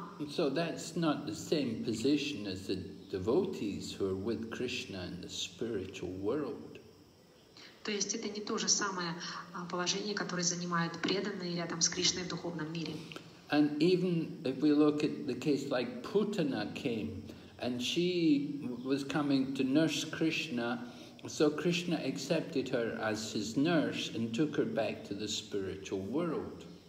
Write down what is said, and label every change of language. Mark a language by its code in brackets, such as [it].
[en] so that's not the same position as the devotees who are with Krishna in the spiritual world. [ru] То есть это не то же самое положение, которое занимают преданные рядом с Кришной в духовном мире. [en] And even if we look at the case like Putana came, and she was coming to nurse Krishna, so Krishna accepted her as his nurse and took her back to the spiritual world.